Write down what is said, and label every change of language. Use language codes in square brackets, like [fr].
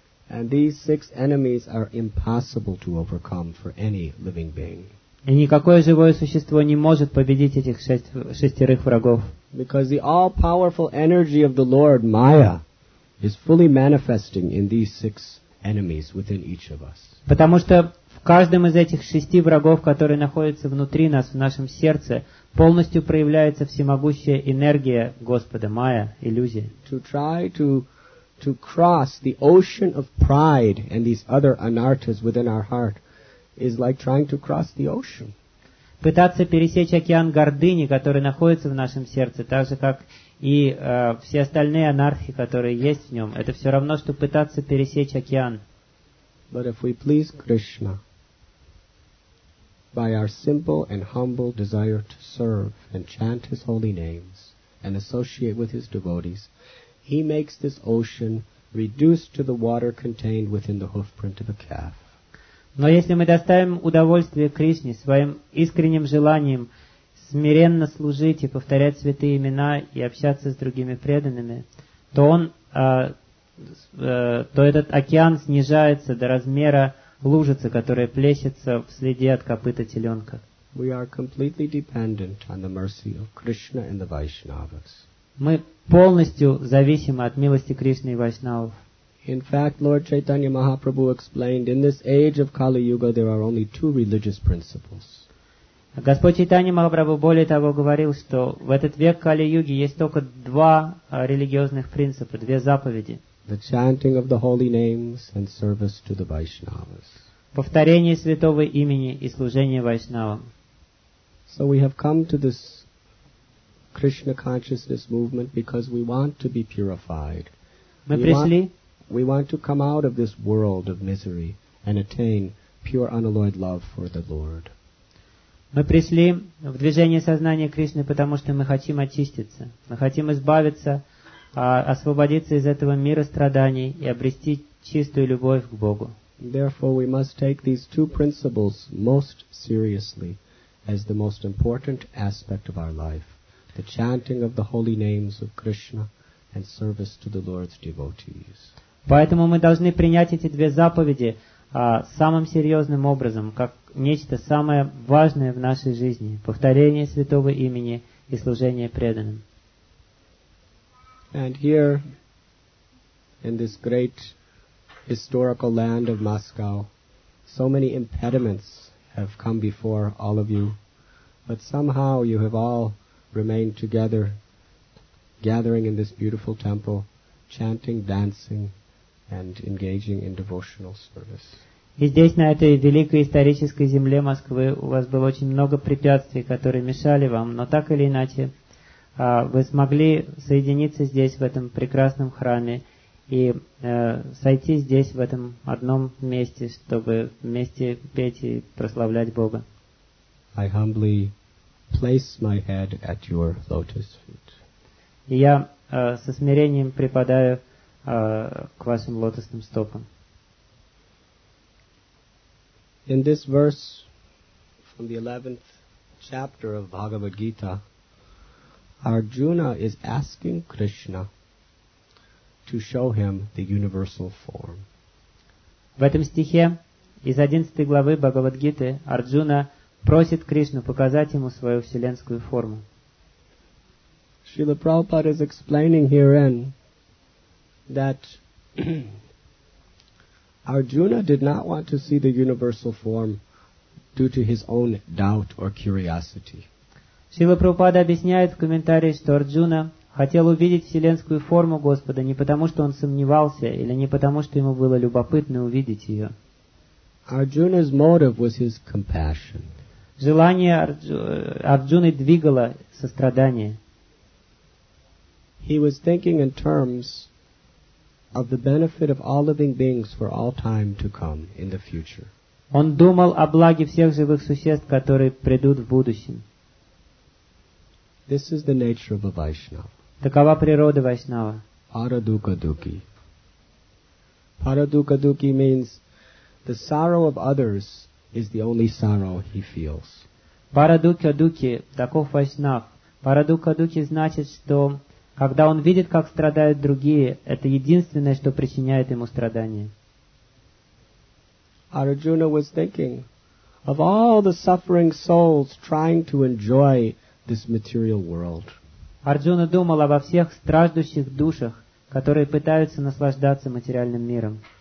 [en] And these six enemies are impossible to overcome for any living being. [ru] И никакое живое существо не может победить этих шестерых врагов. [en] Because the all-powerful energy of the Lord Maya is fully manifesting in these six enemies within each of us. [ru] Потому что в каждом из этих шести врагов, которые находятся внутри нас, в нашем сердце, полностью проявляется всемогущая энергия Господа, Майя, иллюзия. [en] To try to cross the ocean of pride and these other anarthas within our heart is like trying to cross the ocean. [ru] Пытаться пересечь океан гордыни, который находится в нашем сердце, так же, как и все остальные анархи, которые есть в нем, это все равно, что пытаться пересечь океан. [en] But if we please Krishna by our simple and humble desire to serve and chant his holy names and associate with his devotees, he makes this ocean reduced to the water contained within the hoof print of a calf. [ru] Но если мы доставим удовольствие Кришне своим искренним желанием смиренно служить и повторять святые имена и общаться с другими преданными, то он то этот океан снижается до размера лужицы, которая плещется в следе от копыта теленка. [en] We are completely dependent on the mercy of Krishna and the Vaishnavas. [ru] Мы полностью зависимы от милости Кришны и Вайшнавов. [en] In fact, Lord Chaitanya Mahaprabhu explained, in this age of Kali Yuga, there are only two religious principles. [ru] Господь Чайтанья Махапрабху более того говорил, что в этот век Кали-Юги есть только два религиозных принципа, две заповеди. [en] The chanting of the holy names and service to the Vaishnavas. [ru] Повторение святого имени и служение Вайшнавам. [en] So we have come to this Krishna consciousness movement because we want to be purified. [ru] Мы пришли. [en] We want to come out of this world of misery and attain pure unalloyed love for the Lord. [ru] Мы пришли в движение сознания Кришны, потому что мы хотим очиститься. Мы хотим избавиться, освободиться из этого мира страданий и обрести чистую любовь к Богу. [en] Therefore, we must take these two principles most seriously as the most important aspect of our life: the chanting of the holy names of Krishna and service to the Lord's devotees. [ru] Поэтому мы должны принять эти две заповеди самым серьезным образом, как нечто самое важное в нашей жизни: повторение святого имени и служение преданным. [en] And here, in this great historical land of Moscow, so many impediments have come before all of you, but somehow you have all remained together, gathering in this beautiful temple, chanting, dancing, and engaging in devotional service. [ru] И здесь, на этой великой исторической земле Москвы, у вас было очень много препятствий, которые мешали вам, но так или иначе, вы смогли соединиться здесь, в этом прекрасном храме, и сойти здесь, в этом одном месте, чтобы вместе петь и прославлять Бога. [en] I humbly place my head at your lotus feet. [ru] И я со смирением припадаю к вашим лотосным стопам. [en] In this verse from the 11th chapter of Bhagavad Gita, Arjuna is asking Krishna to show him the universal form. [ru] В этом стихе из 11 главы Бхагавад Гиты Арджуна просит Кришну показать ему свою вселенскую форму. [en] Srila Prabhupada is explaining herein that Arjuna did not want to see the universal form due to his own doubt or curiosity. [ru] Srila Prabhupada объясняет в комментарии, что Арджуна хотел увидеть вселенскую форму Господа не потому, что он сомневался, или не потому, что ему было любопытно увидеть ее. [en] Arjuna's motive was his compassion. [ru] Желание Арджуны двигало сострадание. [en] He was thinking in terms of the benefit of all living beings for all time to come in the future. [ru] Он думал о благе всех живых существ, которые придут в будущем. [en] This is the nature of a Vaishnava. [ru] Такова природа Вайшнава. [sa] Парадукадуки. [en] Парадукадуки means the sorrow of others is the only sorrow he feels. [ru] Парадукадуки, таков Вайшнав. Парадукадуки значит, что когда он видит, как страдают другие, это единственное, что причиняет ему страдания. [en] Arjuna was thinking of all the suffering souls trying to enjoy this material world. [ru] Арджуна думал обо всех страждущих душах, которые пытаются наслаждаться материальным миром.